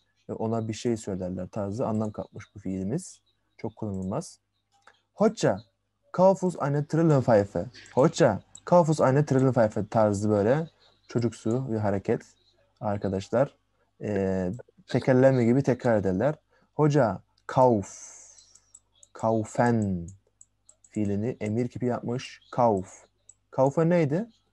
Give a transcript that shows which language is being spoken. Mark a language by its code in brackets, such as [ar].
[tr] Ve ona bir şey söylerler tarzı anlam kapmış bu fiilimiz. Çok kullanılmaz. [de] Hoca, kauf uns eine Trillenpfeife. [tr] Hoca, [de] kauf uns eine Trillenpfeife [tr] tarzı böyle çocuksu bir hareket arkadaşlar. Tekerleme gibi tekrar ederler. Hoca, kauf, kaufen fiilini emir gibi yapmış. Kauf. Kaufen neydi?